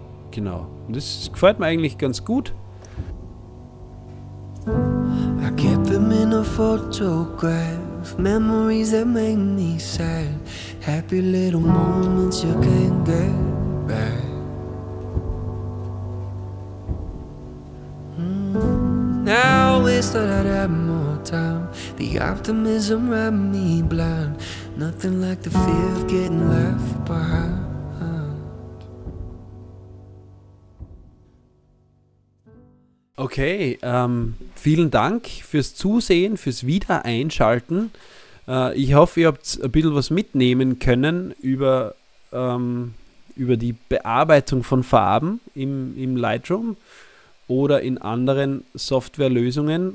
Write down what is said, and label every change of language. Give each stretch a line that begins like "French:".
German: Genau. Und das gefällt mir eigentlich ganz gut.
English: I kept them in a photograph, memories that make me sad, happy little moments you can't get back. Now I wish that I'd have more time, the optimism ran me blind, nothing like the fear of getting left behind.
German: Okay, vielen Dank fürs Zusehen, fürs Wiedereinschalten. Ich hoffe, ihr habt ein bisschen was mitnehmen können über die Bearbeitung von Farben im Lightroom oder in anderen Softwarelösungen.